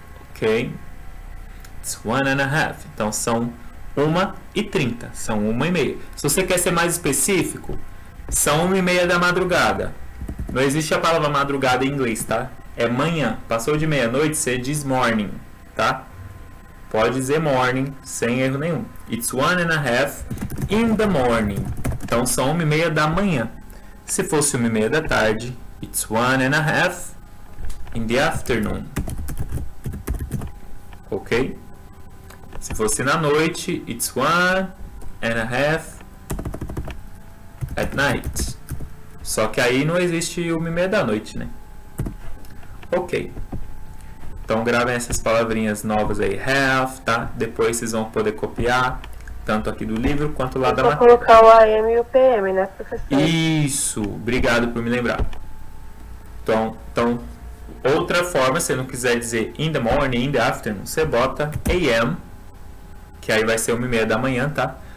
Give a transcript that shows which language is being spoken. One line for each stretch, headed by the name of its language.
English: Ok. It's one and a half.
Portuguese: Então, são 1:30. São 1:30. Se você quer ser mais específico, são 1:30 da madrugada. Não existe a palavra madrugada em inglês, tá? É manhã. Passou de meia-noite, você diz morning, tá? Pode dizer morning, sem erro nenhum.
English: It's one and a half in the morning.
Portuguese: Então, são 1:30 da manhã. Se fosse 1:30 da tarde,
English: it's one and a half in the afternoon. Ok?
Portuguese: Se fosse na noite,
English: it's one and a half at night.
Portuguese: Só que aí não existe 1:30 da noite, né? Ok. Então, gravem essas palavrinhas novas aí. Half, tá? Depois vocês vão poder copiar, tanto aqui do livro quanto lá da matéria. Vou colocar o AM e o PM, né, professor? Isso! Obrigado por me lembrar. Então, outra forma, se não quiser dizer
English: in the morning, in the afternoon,
Portuguese: você bota AM, que aí vai ser 1:30 da manhã, tá?